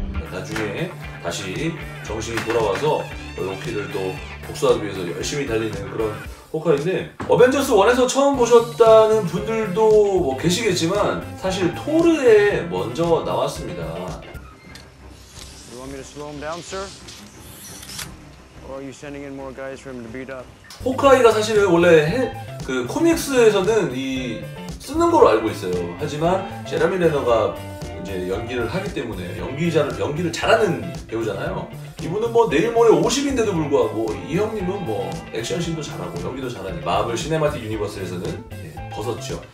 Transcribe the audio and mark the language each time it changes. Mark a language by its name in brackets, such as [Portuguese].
[Korean] 나중에 다시 정신이 돌아와서 로키를 또 복수하기 위해서 열심히 달리는 그런 호크아이인데, 어벤져스 1에서 처음 보셨다는 분들도 뭐 계시겠지만 사실 토르에 먼저 나왔습니다. [English] You want me to slow him down, sir? Or are you sending in more guys for him to beat up? [Korean] 호크아이가 사실은 원래 그 코믹스에서는 이 쓰는 걸로 알고 있어요. 하지만 제라미 레너가 이제 연기를 하기 때문에 연기를 잘하는 배우잖아요. 이분은 뭐 내일 모레 50인데도 불구하고 이 형님은 뭐 액션씬도 잘하고 연기도 잘하니 마블 시네마틱 유니버스에서는 예, 벗었죠.